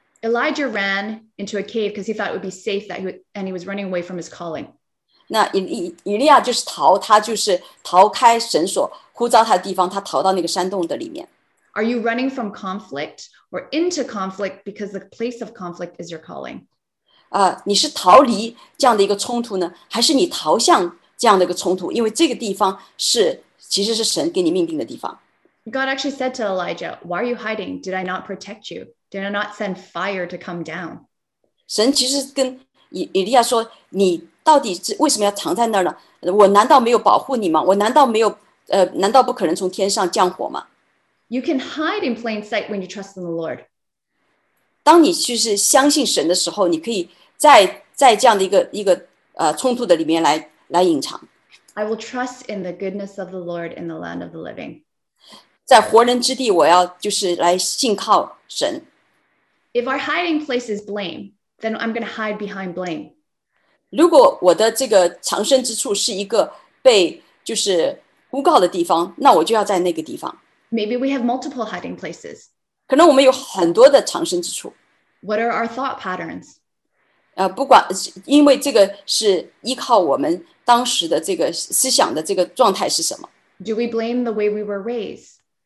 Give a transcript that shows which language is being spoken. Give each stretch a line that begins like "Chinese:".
English: Elijah ran into a cave because he thought it would be safe and he was running away from his calling.
Chinese: 那以利亚就是逃，他就是逃开神所呼召他的地方，他逃到那个山洞的里面。
English: Are you running from conflict or into conflict because the place of conflict is your calling?
Chinese: 你是逃离这样的一个冲突呢，还是你逃向这样的一个冲突？因为这个地方是其实是神给你命定的地方。
English: God actually said to Elijah, "Why are you hiding? Did I not protect you? Did I not send fire to come down?"
Chinese: 神其实跟以利亚说，你到底为什么要藏在那儿呢？我难道没有保护你吗？我难道没有难道不可能从天上降火吗？
English: You can hide in plain sight when you trust in the Lord.
Chinese: 当你就是相信神的时候，你可以在这样的一个冲突的里面来隐藏。
English: I will trust in the goodness of the Lord in the land of the living.
Chinese: 在活人之地，我要就是来信靠神。
English: If our hiding place is blame, then I'm going to hide behind blame.
Chinese: 如果我的这个藏身之处是一个被就是诬告的地方，那我就要在那个地方。
English: Maybe we have multiple hiding places.
Chinese: 可能我们有很多的藏身之处。
English: What are our thought patterns?
Chinese: 不管，因为这个是依靠我们当时的这个思想的这个状态是什么。
English: Do we blame the way we were raised?